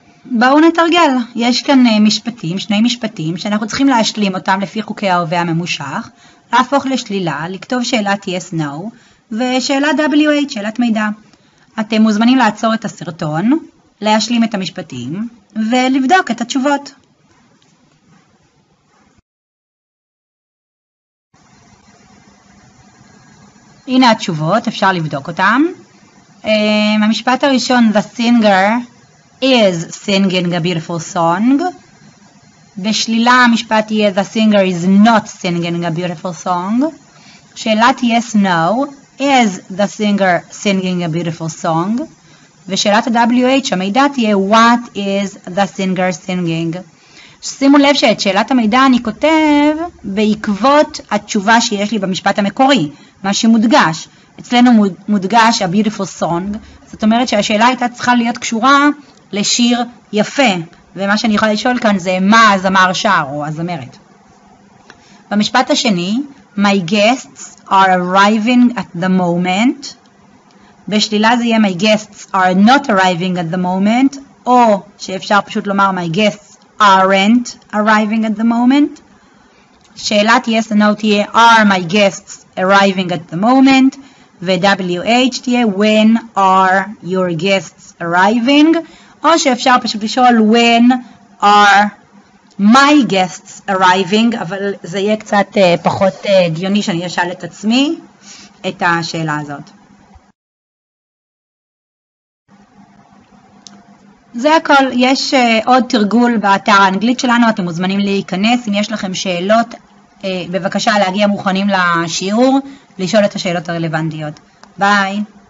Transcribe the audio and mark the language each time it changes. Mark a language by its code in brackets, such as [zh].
[he] בואו נתרגל. יש כאן משפטים, שני משפטים, שאנחנו צריכים להשלים אותם לפי חוקי ההווה הממושך, להפוך לשלילה, לכתוב שאלת [en] yes, no, [he] ושאלה WH, שאלת מידע. אתם מוזמנים לעצור את הסרטון, להשלים את המשפטים, ולבדוק את התשובות. הנה התשובות, אפשר לבדוק אותם. המשפט הראשון, [en] The singer is singing a beautiful song. [he] בשלילה המשפט יהיה, [en] The singer is not singing a beautiful song. שאלת yes, no, is the singer singing a beautiful song? [he] ושאלת ה-WH, המידע תהיה, [en] What is the singer singing? [he] שימו לב שאת שאלת המידע אני כותב בעקבות התשובה שיש לי במשפט המקורי. מה שמודגש, אצלנו מודגש [en] A Beautiful Song, [he] זאת אומרת שהשאלה הייתה צריכה להיות קשורה לשיר יפה, ומה שאני יכולה לשאול כאן זה מה הזמר שר או הזמרת. במשפט השני, [en] My guests are arriving at the moment, [he] בשלילה זה יהיה [en] My guests are not arriving at the moment, [he] או שאפשר פשוט לומר [en] My guests aren't arriving at the moment. שאלת yes and no תהיה are my guests arriving at the moment, ו-WH תהיה when are your guests arriving, [he] או שאפשר פשוט לשאול [en] when are my guests arriving, [he] אבל זה יהיה קצת פחות הגיוני שאני אשאל את עצמי את השאלה הזאת. זה הכל, יש עוד תרגול באתר האנגלית שלנו, אתם מוזמנים להיכנס, אם יש לכם שאלות, בבקשה להגיע מוכנים לשיעור, לשאול את השאלות הרלוונטיות. ביי!